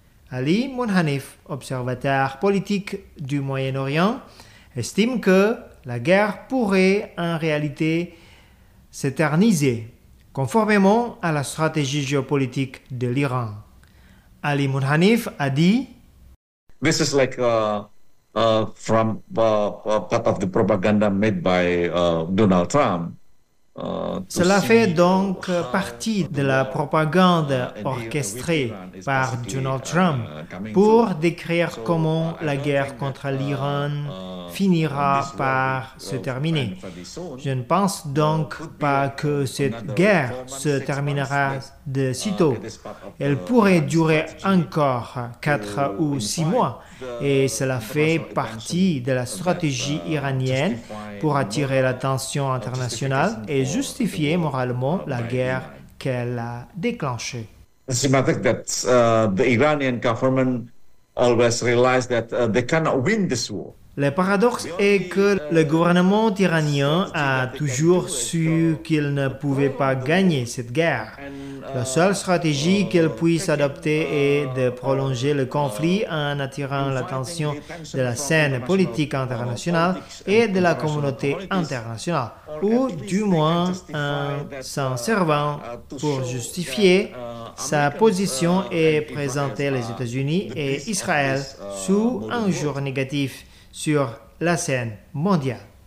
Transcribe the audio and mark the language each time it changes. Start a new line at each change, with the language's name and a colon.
French: Ali Mounhanif, observateur politique du Moyen-Orient, estime que la guerre pourrait en réalité s'éterniser, conformément à la stratégie géopolitique de l'Iran. Ali Mounhanif a dit:
English: this is like from part of the propaganda made by Donald Trump.
French: Cela fait donc partie de la propagande orchestrée par Donald Trump pour décrire comment la guerre contre l'Iran finira par se terminer. Je ne pense donc pas que cette guerre se terminera de sitôt. Elle pourrait durer encore 4 ou 6 mois et cela fait partie de la stratégie iranienne pour attirer l'attention internationale et justifier moralement la guerre qu'elle a déclenchée.
English: It's symptomatic that the Iranian government always realized that they cannot win this war.
French: Le paradoxe est que le gouvernement iranien a toujours su qu'il ne pouvait pas gagner cette guerre. La seule stratégie qu'elle puisse adopter est de prolonger le conflit en attirant l'attention de la scène politique internationale et de la communauté internationale, ou du moins en s'en servant pour justifier sa position et présenter les États-Unis et Israël sous un jour négatif sur la scène mondiale.